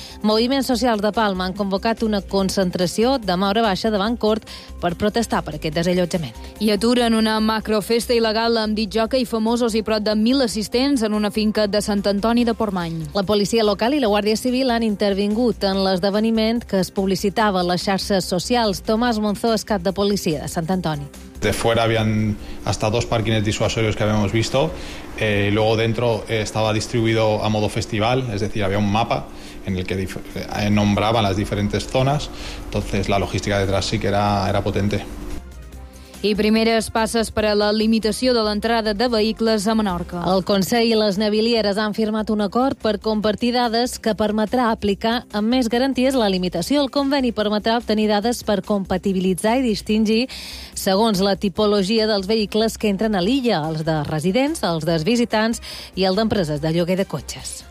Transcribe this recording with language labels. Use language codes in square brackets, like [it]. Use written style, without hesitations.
[ca] Moviments Socials de Palma han convocat una concentració demà hora baixa davant cort per protestar per aquest desallotjament. I aturen una macrofesta il·legal amb dit joca i famosos i prop de 1.000 assistents en una finca de Sant Antoni de Portmany. La policia local i la Guàrdia Civil han intervingut en l'esdeveniment que es publicitava a les xarxes socials. Tomàs Monzó és cap de policia de Sant Antoni. [es] De fuera habían hasta dos parquines disuasorios que habíamos visto. Luego dentro estaba distribuido a modo festival, es decir, había un mapa en el que nombraban las diferentes zonas. Entonces la logística detrás sí que era potente. [ca] I primeres passes per a la limitació de l'entrada de vehicles a Menorca. El Consell i les navilieres han firmat un acord per compartir dades que permetrà aplicar amb més garanties la limitació. El conveni permetrà obtenir dades per compatibilitzar i distingir segons la tipologia dels vehicles que entren a l'illa, els de residents, els dels visitants i el d'empreses de lloguer de cotxes.